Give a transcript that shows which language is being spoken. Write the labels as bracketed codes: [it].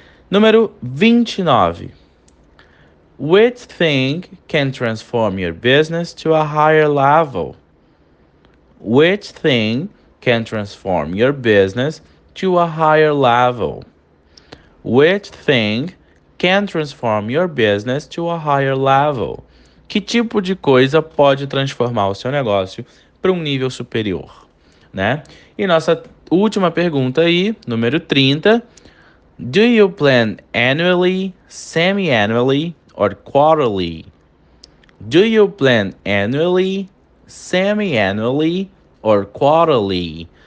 [pt] Número 29. [en] Which thing can transform your business to a higher level? Which thing can transform your business to a higher level? Which thing can transform your business to a higher level. [pt] Que tipo de coisa pode transformar o seu negócio para um nível superior, né? E nossa última pergunta aí, número 30. [en] Do you plan annually, semi-annually or quarterly? Do you plan annually, semi-annually or quarterly?